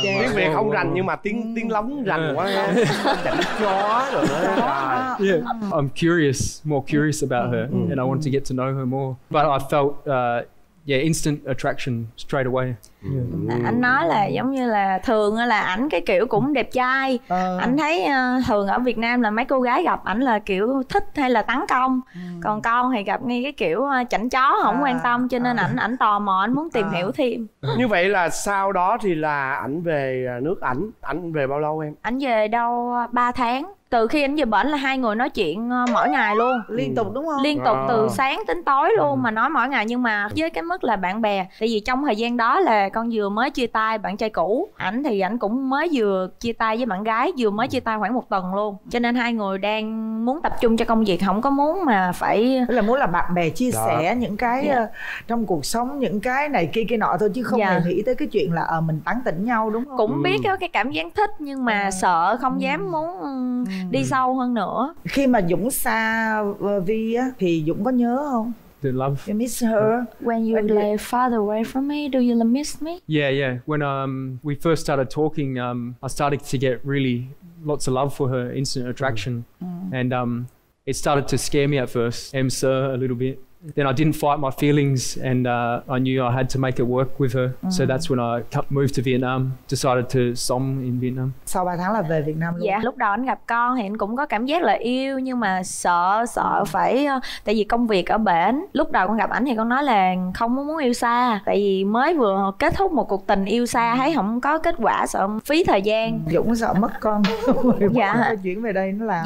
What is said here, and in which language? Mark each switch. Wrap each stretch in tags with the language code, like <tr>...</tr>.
<vi>Tiếng Việt không rành nhưng mà tiếng lóng rành quá. Chân chó rồi.</vi> <en>Yeah. I'm more curious about her and I want to get to know her more, but I felt instant attraction straight away.</en> <vi>Anh nói là giống như là thường là ảnh cái kiểu cũng đẹp trai. Anh thấy thường ở Việt Nam là mấy cô gái gặp ảnh là kiểu thích hay là tấn công. Còn con thì gặp ngay cái kiểu chảnh chó không quan tâm, cho nên ảnh tò mò, ảnh muốn tìm hiểu thêm. Như vậy là sau đó thì là ảnh về nước, ảnh về bao lâu em? Ảnh về đâu 3 tháng. từ khi anh về bển là hai người nói chuyện mỗi ngày luôn. Liên tục đúng không? Liên tục từ sáng tới tối luôn mà nói mỗi ngày. Nhưng mà với cái mức là bạn bè, tại vì trong thời gian đó là con vừa mới chia tay bạn trai cũ, ảnh thì ảnh cũng mới vừa chia tay với bạn gái, vừa mới chia tay khoảng một tuần luôn. Cho nên hai người đang muốn tập trung cho công việc, không có muốn mà phải... Tức là muốn là bạn bè chia sẻ những cái trong cuộc sống, những cái này kia kia nọ thôi, chứ không hề nghĩ tới cái chuyện là mình tán tỉnh nhau đúng không? Cũng biết cái cảm giác thích nhưng mà sợ không dám muốn đi sâu hơn nữa. Khi mà Dũng xa Vi á thì Dũng có nhớ không?</vi> <en>Do you love? You miss her? When you lay farther away from me, do you miss me? Yeah, yeah. When we first started talking, I started to get really lots of love for her, instant attraction. And it started to scare me at first, answer a little bit. Then I didn't fight my feelings and I knew I had to make it work with her. So that's when I moved to Vietnam, decided to</en> <vi>sống</vi> <en>in Vietnam.</en> <vi>Sau 3 tháng là về Việt Nam luôn. Dạ, lúc đầu anh gặp con thì anh cũng có cảm giác là yêu nhưng mà sợ phải, tại vì công việc ở bển. Lúc đầu con gặp ảnh thì con nói là không muốn yêu xa, tại vì mới vừa kết thúc một cuộc tình yêu xa thấy không có kết quả, sợ phí thời gian. Dũng sợ mất con. Dạ. Chuyển về đây nó làm.</vi>